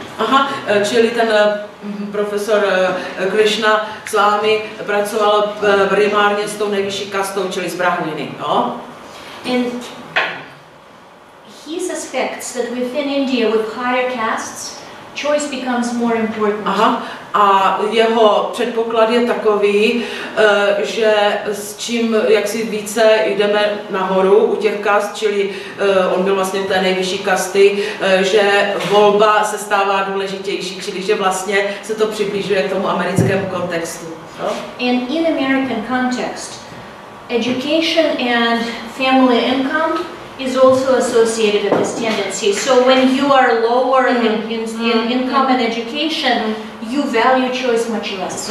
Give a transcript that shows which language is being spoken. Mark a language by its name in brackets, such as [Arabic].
[Czech] Aha, čili ten profesor Krishna s vámi pracoval primárně s tou nejvyšší kastou, čili s Brahminy, no? [English] And he suspects that within India with higher castes, choice becomes more important. [Czech] Aha, a jeho předpoklad je takový, že s čím jaksi více jdeme nahoru u těch kast, čili on byl vlastně té nejvyšší kasty, že volba se stává důležitější, čili že vlastně se to přiblížuje k tomu americkému kontextu. [English] And in American context, education and family income is also associated with this tendency. So when you are lower in income and education, you value choice much less.